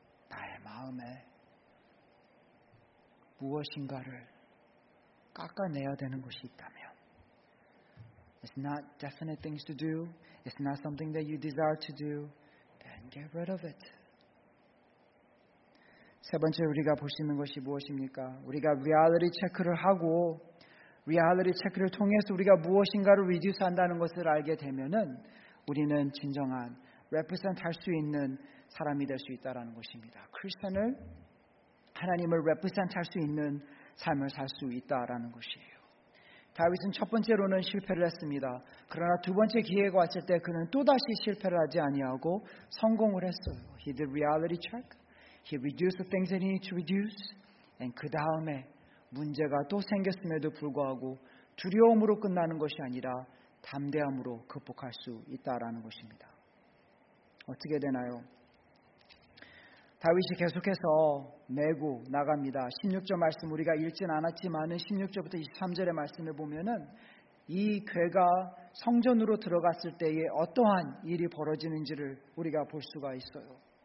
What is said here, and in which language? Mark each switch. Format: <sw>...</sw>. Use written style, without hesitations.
<ko>나의 마음에 무엇인가를 깎아내야 되는 것이 있다면</ko> <en>it's not definite things to do. It's not something that you desire to do. Then get rid of it.</en> <ko>세 번째 우리가 보시는 것이 무엇입니까? 우리가 리얼리티 체크를 하고 리얼리티 체크를 통해서 우리가 무엇인가를 리듀스 한다는 것을 알게 되면은 우리는 진정한 레프레젠트 할 수 있는 사람이 될 수 있다라는 것입니다. 크리스천을 하나님을 레프레젠트 할 수 있는 삶을 살 수 있다라는 것이에요. 다윗은 첫 번째로는 실패를 했습니다. 그러나 두 번째 기회가 왔을 때 그는 또다시 실패를 하지 아니하고 성공을 했어요.</ko> <en>He did reality check. He reduced the things that he needed to reduce.</en> <ko>And 그 다음에 문제가 또 생겼음에도 불구하고 두려움으로 끝나는 것이 아니라 담대함으로 극복할 수 있다라는 것입니다. 어떻게 되나요? 다윗이 계속해서 메고 나갑니다. 16절 말씀 우리가 읽진 않았지만은 16절부터 23절의 말씀을 보면은 이 괴가 성전으로 들어갔을 때에 어떠한 일이 벌어지는지를 우리가 볼 수가 있어요.</ko>